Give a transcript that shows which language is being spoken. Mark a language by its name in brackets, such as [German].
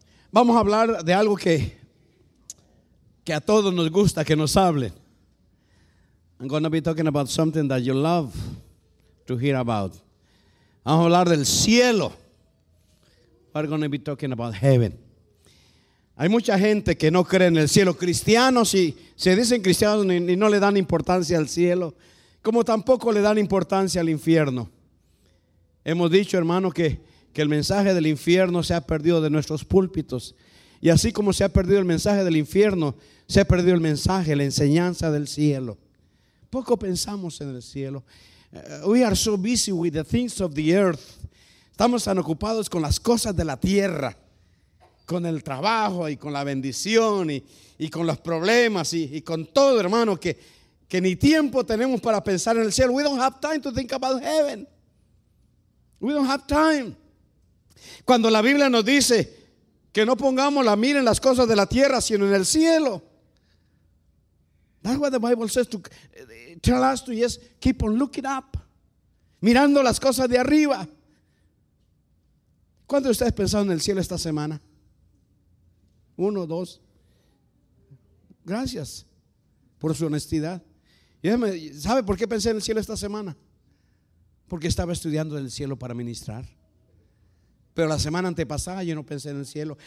[Spanish] Vamos a hablar de algo que que a todos nos gusta que nos hablen. [English] I'm going to be talking about something that you love to hear about. [Spanish] Vamos a hablar del cielo. [English] We're going to be talking about heaven. [Spanish] Hay mucha gente que no cree en el cielo. Cristianos, si se dicen cristianos y no le dan importancia al cielo, como tampoco le dan importancia al infierno. Hemos dicho, hermano, que el mensaje del infierno se ha perdido de nuestros púlpitos. Y así como se ha perdido el mensaje del infierno, se ha perdido el mensaje, la enseñanza del cielo. Poco pensamos en el cielo. [English] We are so busy with the things of the earth. [Spanish] Estamos tan ocupados con las cosas de la tierra, con el trabajo y con la bendición y con los problemas y con todo, hermano, que ni tiempo tenemos para pensar en el cielo. [English] We don't have time to think about heaven. We don't have time. [Spanish] Cuando la Biblia nos dice que no pongamos la mira en las cosas de la tierra, sino en el cielo. [English] That's what the Bible says to tell us to just keep on looking up. [Spanish] Mirando las cosas de arriba. ¿Cuántos de ustedes pensaron en el cielo esta semana? Uno, dos. Gracias por su honestidad. ¿Sabe por qué pensé en el cielo esta semana? Porque estaba estudiando del cielo para ministrar. Pero la semana antepasada yo no pensé en el cielo.